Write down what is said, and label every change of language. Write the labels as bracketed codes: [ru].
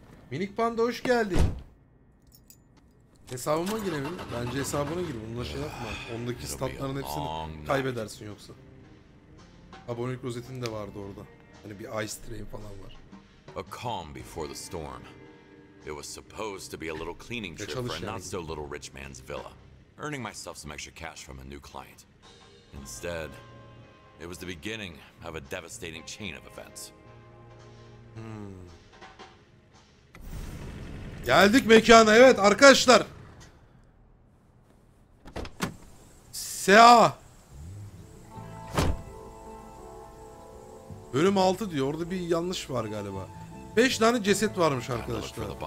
[tr] Minik Panda hoş geldin. Hesabıma girelim. Bence hesabına gir. Bununla şey yapma. Ondaki statların hepsini kaybedersin yoksa. Abone klozetin de vardı orada. Hani bir ice train falan var. [en] A calm before the storm. It was supposed to be a little cleaning trip for a not so little rich man's villa. Earning myself some extra cash from a new client. Instead, it was the beginning of a devastating chain of events. [tr] Geldik mekana, evet arkadaşlar. SA. Bölüm 6 diyor. Orada bir yanlış var galiba. 5 tane ceset varmış arkadaşlar.